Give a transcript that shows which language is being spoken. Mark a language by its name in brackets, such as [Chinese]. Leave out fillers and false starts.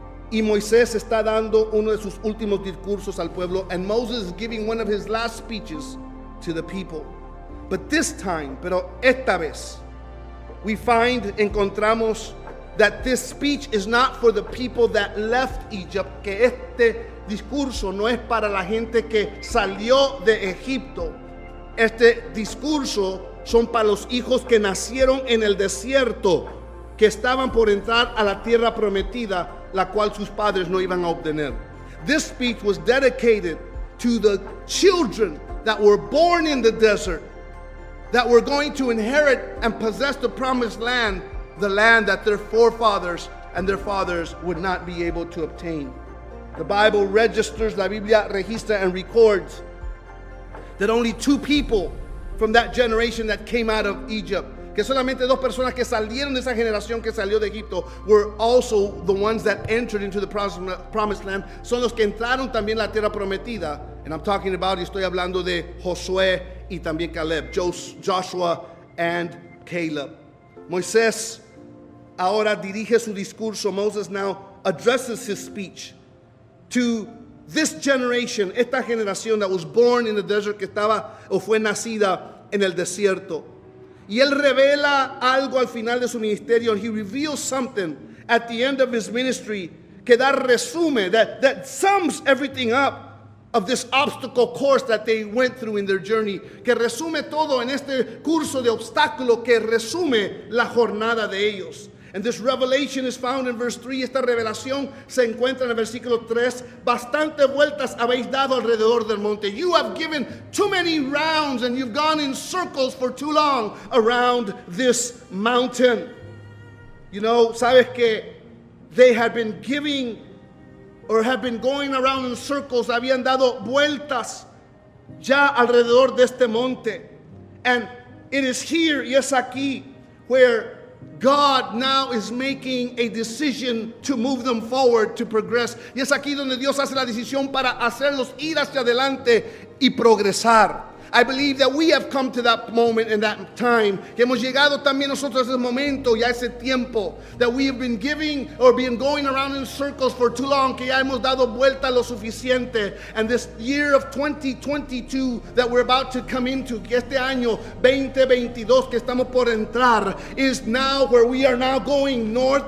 [Spanish] Y Moisés está dando uno de sus últimos discursos al pueblo. [English] And Moses is giving one of his last speeches to the people. But this time, [Spanish] pero esta vez, [English] we find, [Spanish] encontramos, [English] that this speech is not for the people that left Egypt. [Spanish] Que este discurso no es para la gente que salió de Egipto. Este discurso son para los hijos que nacieron en el desierto, que estaban por entrar a la tierra prometida, la cual sus padres no iban a obtener. [English] This speech was dedicated to the children that were born in the desert, that were going to inherit and possess the promised land, the land that their forefathers and their fathers would not be able to obtain. The Bible registers, [Spanish] la Biblia registra [English] and records, [Spanish] that only two people from that generation that came out of Egypt, que solamente dos personas que salieron de esa generación que salió de Egipto, [English] were also the ones that entered into the promised land, [Spanish] son los que entraron también la tierra prometida. [English] And I'm talking about, [Spanish] y estoy hablando de Josué y también Caleb, [English] Joshua and Caleb. [Spanish] Moisés ahora dirige su discurso, [English] Moses now addresses his speech to this generation, [Spanish] esta generación [English] that was born in the desert, [Spanish] que estaba o fue nacida en el desierto. Y él revela algo al final de su ministerio. [English] He reveals something at the end of his ministry [Spanish] que da resume, [English] that sums everything up of this obstacle course that they went through in their journey. [Spanish] Que resume todo en este curso de obstáculo que resume la jornada de ellos. [English] And this revelation is found in verse 3. [Spanish] Esta revelación se encuentra en el versículo 3. Bastante vueltas habéis dado alrededor del monte. [English] You have given too many rounds and you've gone in circles for too long around this mountain. You know, [Spanish] sabes que [English] they had been giving or had been going around in circles. [Spanish] Habían dado vueltas ya alrededor de este monte. [English] And it is here, [Spanish] y es aquí, [English] where God now is making a decision to move them forward, to progress. [Spanish] Y es aquí donde Dios hace la decisión para hacerlos ir hacia adelante y progresar. [English] I believe that we have come to that moment and that time. [Spanish] Que hemos llegado también nosotros a ese momento y a ese tiempo. [English] That we have been giving or been going around in circles for too long. [Spanish] Que ya hemos dado vuelta lo suficiente. [English] And this year of 2022 that we're about to come into. [Spanish] Que este año 2022 que estamos por entrar. [English] Is now where we are now going north.